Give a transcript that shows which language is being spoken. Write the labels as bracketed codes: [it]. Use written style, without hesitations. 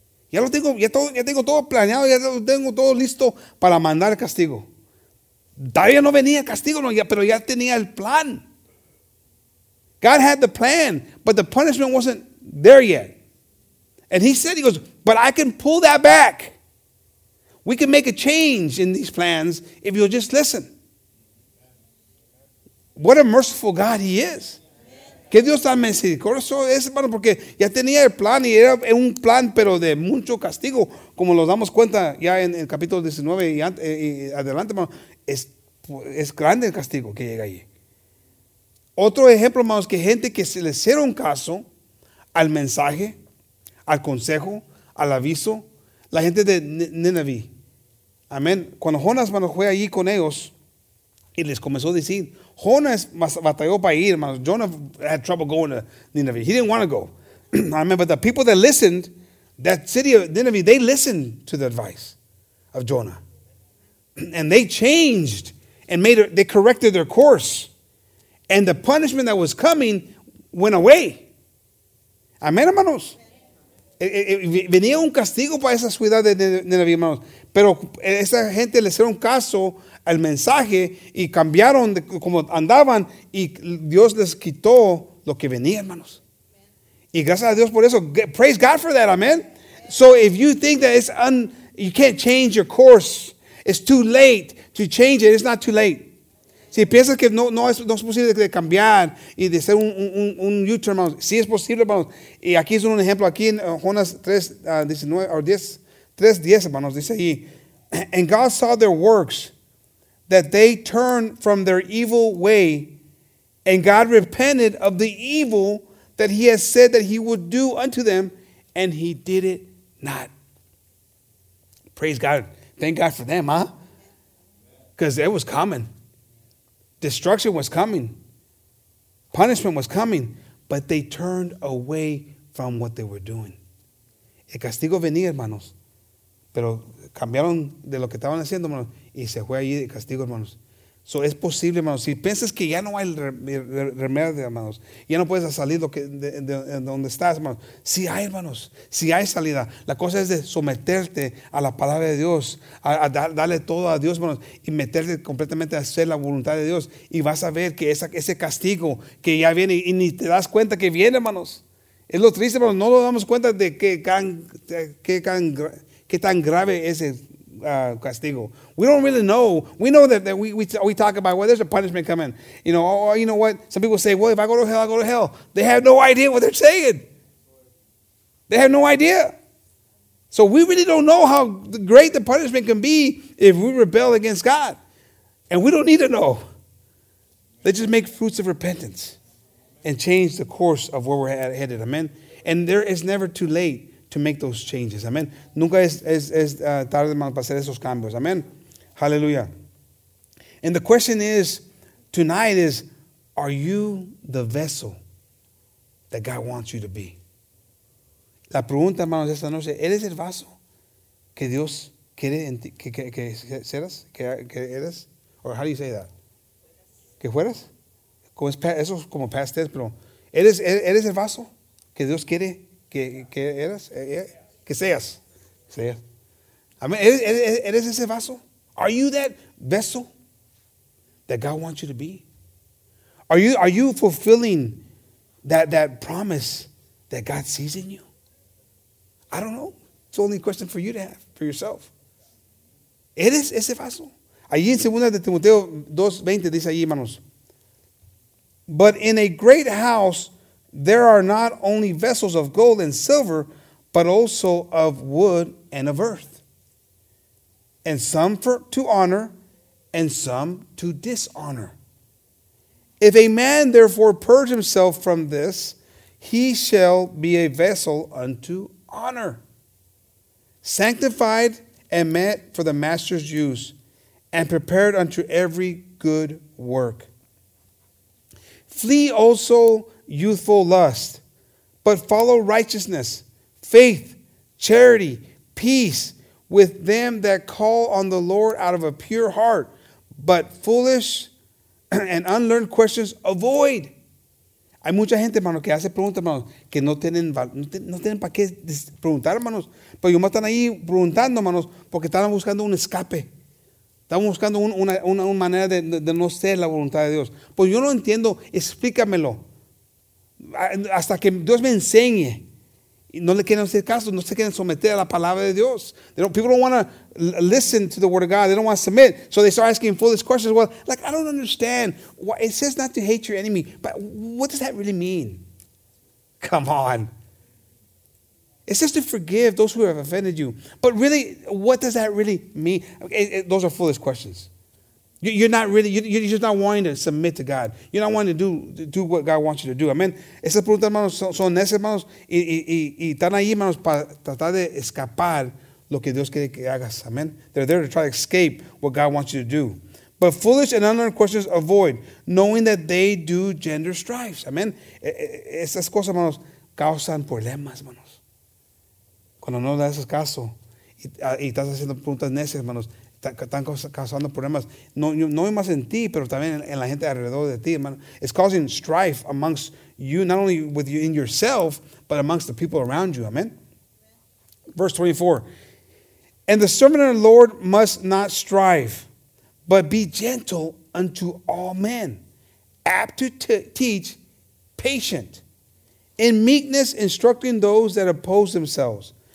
[es] Ya lo tengo, ya tengo todo planeado, ya lo tengo todo listo para mandar el castigo. Todavía no venía castigo, no, ya, pero ya tenía el plan. [en] God had the plan, but the punishment wasn't there yet. And he goes, but I can pull that back. We can make a change in these plans if you'll just listen. What a merciful God he is. [es] Que Dios tan misericordioso es, hermano, porque ya tenía el plan y era un plan, pero de mucho castigo, como nos damos cuenta ya en el capítulo 19 y adelante, hermano. Es grande el castigo que llega allí. Otro ejemplo, hermanos, que gente que se le hicieron caso al mensaje, al consejo, al aviso, la gente de Nínive. Amén. Cuando Jonás, hermano, fue allí con ellos y les comenzó a decir, Jonás batalló para ir, hermano. [en] Jonah had trouble going to Nínive. He didn't want to go. Amén. But the people that listened, that city of Nínive, they listened to the advice of Jonah. And they changed and made it, they corrected their course. And the punishment that was coming went away. [es] Amén, hermanos. Venía un castigo para esa ciudad de Nínive, hermanos. Pero esa gente le hicieron caso al mensaje y cambiaron de como andaban y Dios les quitó lo que venía, hermanos. Y gracias a Dios por eso. [en] Praise God for that, amen. So if you think that it's you can't change your course, it's too late to change it, it's not too late. [es] Si piensas que no es posible de cambiar y de hacer un U-turn, hermanos, sí es posible, hermanos. Y aquí es un ejemplo, aquí en Jonás 3:10, hermanos, dice ahí. [en] And God saw their works, that they turned from their evil way, and God repented of the evil that he had said that he would do unto them, and he did it not. Praise God. Thank God for them, huh? Because it was coming. Destruction was coming. Punishment was coming. But they turned away from what they were doing. [es] El castigo venía, hermanos. Pero cambiaron de lo que estaban haciendo, hermanos. Y se fue allí el castigo, hermanos. So, es posible, hermanos. Si piensas que ya no hay remedio, hermanos. Ya no puedes salir de donde estás, hermanos. Sí hay, hermanos. Sí hay salida. La cosa es de someterte a la palabra de Dios. A darle todo a Dios, hermanos. Y meterte completamente a hacer la voluntad de Dios. Y vas a ver que ese castigo que ya viene. Y ni te das cuenta que viene, hermanos. Es lo triste, hermanos. No nos damos cuenta de qué tan grave es el castigo. [en] We don't really know. We know that we talk about, well, there's a punishment coming. You know, or, you know what? Some people say, well, if I go to hell, I go to hell. They have no idea what they're saying. They have no idea. So we really don't know how great the punishment can be if we rebel against God. And we don't need to know. Let's just make fruits of repentance and change the course of where we're headed. Amen. And there is never too late to make those changes. [es] Amen. Nunca es tarde para hacer esos cambios. Amen. Hallelujah. [en] And the question is, tonight is, are you the vessel that God wants you to be? [es] La pregunta, hermanos, esta noche, ¿eres el vaso que Dios quiere en ti, que seras, que eres? [en] Or how do you say that? [es] ¿Que fueras? Como eso es como past tense, pero ¿eres el vaso que Dios quiere que eras? Que seas. Seas. Amén. ¿Eres ese vaso? [en] Are you that vessel that God wants you to be? Are you fulfilling that promise that God sees in you? I don't know. It's only a question for you to have, for yourself. [es] ¿Eres ese vaso? Allí en segunda de Timoteo 2:20 dice allí, hermanos. [en] But in a great house, there are not only vessels of gold and silver, but also of wood and of earth. And some for to honor, and some to dishonor. If a man therefore purge himself from this, he shall be a vessel unto honor, sanctified and meant for the master's use, and prepared unto every good work. Flee also youthful lust, but follow righteousness, faith, charity, peace, with them that call on the Lord out of a pure heart, but foolish and unlearned questions avoid. [es] Hay mucha gente, hermano, que hace preguntas, hermano, que no tienen para qué preguntar, hermanos. Pero yo más están ahí preguntando, hermanos, porque están buscando un escape. Están buscando una manera de no ser la voluntad de Dios. Pues yo no entiendo, explícamelo. Hasta que Dios me enseñe. No le quieren hacer caso, no se quieren someter a la palabra de Dios. [en] People don't want to listen to the word of God. They don't want to submit. So they start asking foolish questions. Well, like, I don't understand. It says not to hate your enemy, but what does that really mean? Come on. It says to forgive those who have offended you. But really, what does that really mean? Those are foolish questions. You're not really, you're just not wanting to submit to God. You're not wanting to do what God wants you to do. Amen. [es] Esas preguntas, hermanos, son esas, hermanos, y están ahí, hermanos, para tratar de escapar lo que Dios quiere que hagas. Amen. [en] They're there to try to escape what God wants you to do. But foolish and unlearned questions avoid, knowing that they do gender strifes. [es] Amen. Esas cosas, hermanos, causan problemas, hermanos. Cuando no le haces caso y estás haciendo preguntas necias, hermanos, están causando problemas. No más en ti, pero también en la gente alrededor de ti, hermano. [en] It's causing strife amongst you, not only with you in yourself, but amongst the people around you. Amen. Verse 24. And the servant of the Lord must not strive, but be gentle unto all men, apt to teach, patient, in meekness instructing those that oppose themselves.